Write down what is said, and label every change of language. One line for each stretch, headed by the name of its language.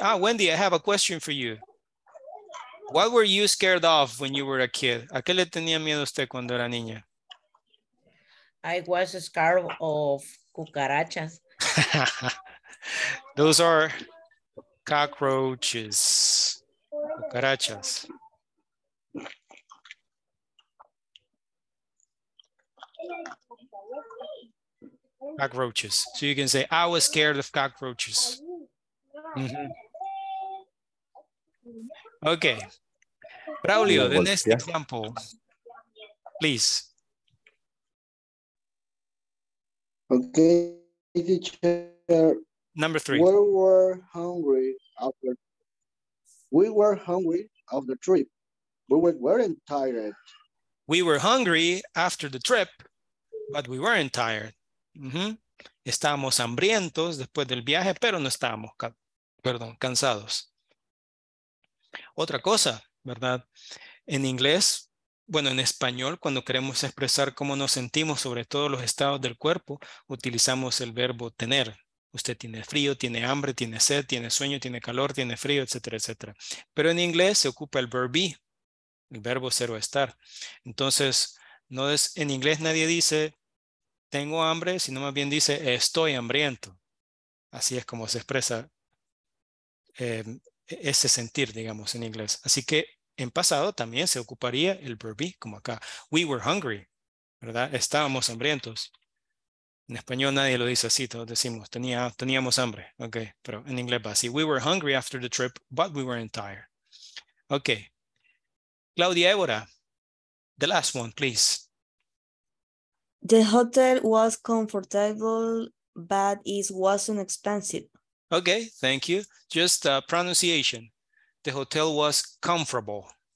English: Ah, Wendy, I have a question for you. What were you scared of when you were a kid?
Spanish: ¿A qué le tenía miedo usted cuando era niña?
English: I was scared of cucarachas. Those are cockroaches. Cucarachas. Cockroaches. So you can say, I was scared of cockroaches. Mm-hmm. Okay. Braulio, the next example, please. Okay, teacher. Number three. We were hungry after. We were hungry after the trip. We weren't tired. We were hungry after the trip, but we weren't tired. Mm-hmm.
Spanish: Estábamos hambrientos después del viaje, pero no estábamos, cansados. Otra cosa, ¿verdad? En inglés, bueno, en español, cuando queremos expresar cómo nos sentimos, sobre todo los estados del cuerpo, utilizamos el verbo tener. Usted tiene frío, tiene hambre, tiene sed, tiene sueño, tiene calor, tiene frío, etcétera, etcétera. Pero en inglés se ocupa el verb be, el verbo ser o estar. Entonces, no es, en inglés nadie dice tengo hambre, sino más bien dice estoy hambriento. Así es como se expresa ese sentir, digamos, en inglés. Así que en pasado también se ocuparía el verb be, como acá.
English: We were hungry,
Spanish: ¿verdad? Estábamos hambrientos. En español nadie lo dice así, todos decimos, teníamos hambre. Ok, pero en inglés va así.
English: We were hungry after the trip, but we weren't tired. Ok. Claudia Évora, the last one, please. The hotel was comfortable, but it wasn't expensive. Ok, thank you. Just pronunciation. The hotel was comfortable.